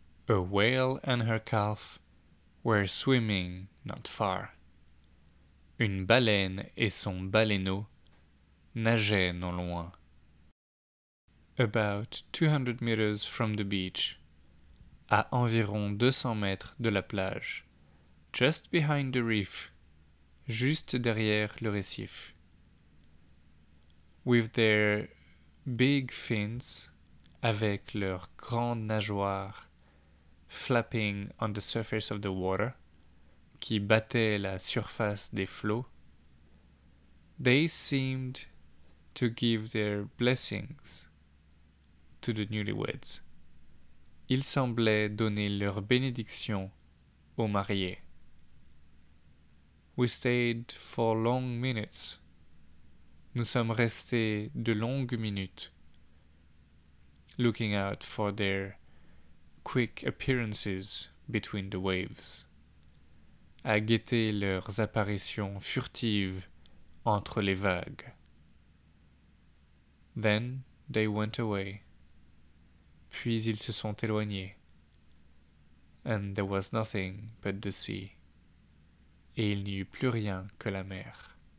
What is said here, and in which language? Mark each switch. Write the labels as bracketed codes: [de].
[en] A whale and her calf were swimming not far. [fr] Une baleine et son baleineau nageaient non loin. About 200 meters from the beach. À environ 200 mètres de la plage. [en] Just behind the reef. Juste derrière le récif. With their big fins. Avec leurs grandes nageoires. Flapping on the surface of the water. Qui battaient la surface des flots. They seemed to give their blessings to the newlyweds. [fr] Ils semblaient donner leur bénédiction aux mariés. We stayed for long minutes. Nous sommes restés de longues minutes. [en] Looking out for their quick appearances between the waves. [fr] À guetter leurs apparitions furtives entre les vagues. Then they went away. Puis ils se sont éloignés. And there was nothing but the sea. Et il n'y eut plus rien que la mer.